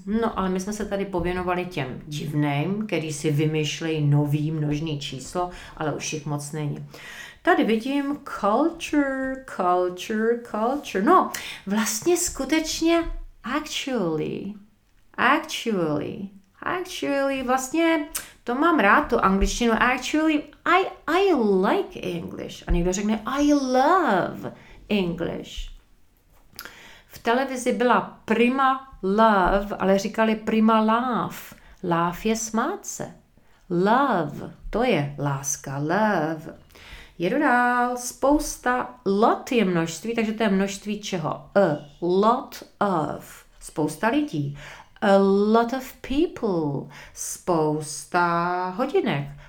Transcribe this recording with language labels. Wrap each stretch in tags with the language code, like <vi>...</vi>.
<cs>No, ale my jsme se tady pověnovali těm divným, který si vymýšlejí nový množný číslo, ale už jich moc není. Tady vidím culture, culture, culture. No, vlastně skutečně actually, actually, actually, vlastně to mám rád, tu angličtinu.</cs> <en>Actually, I like English.</en> <cs>A někdo řekne,</cs> <en>I love English.</en> <cs>V televizi byla Prima Love, ale říkali Prima Love. Love je smát se. Love, to je láska, love. Jedu dál, spousta, lot je množství, takže to je množství čeho?</cs> <en>A lot of,</en> <cs>spousta lidí.</cs> <en>A lot of people,</en> <cs>spousta hodinek.</cs>